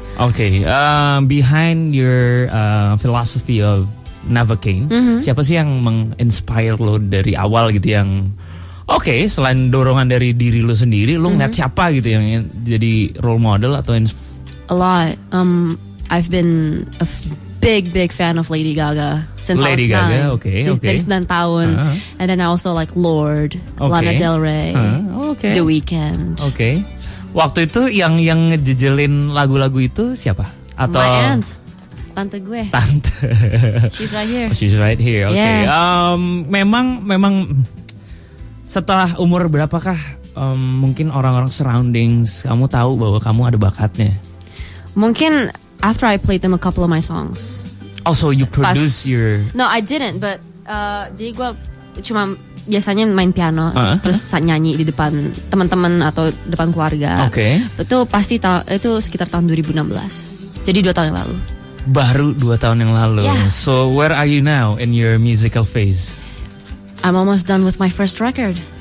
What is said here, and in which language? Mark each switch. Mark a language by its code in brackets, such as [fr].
[en] Okay. Behind your philosophy of Novocaine, [id] siapa sih yang menginspire lo dari awal gitu yang okay, selain dorongan dari diri lo sendiri, lo ngeliat siapa gitu yang jadi role model atau [en] A lot. I've been a big fan of Lady Gaga since Lady I was Okay. [id] Dari 9 tahun. [en] And then I also like Lorde, Lana Del Rey, The Weeknd. Okay. [id] Waktu itu yang ngejejelin lagu-lagu itu siapa? Atau [en] my aunt. Tante. She's right here. Okay. Yeah. [id] Memang setelah umur berapakah mungkin orang-orang surroundings kamu tahu bahwa kamu ada bakatnya? Mungkin [en] after I played them a couple of my songs. Oh, so you produce your? No, I didn't. But [id] jadi gue cuma biasanya main piano terus saat nyanyi di depan teman-teman atau depan keluarga. Oke. [en] Okay. [id] Itu pasti itu sekitar tahun 2016. Jadi 2 tahun yang lalu. Baru 2 tahun yang lalu. [en] Yeah. So where are you now in your musical phase? I'm almost done with my first record.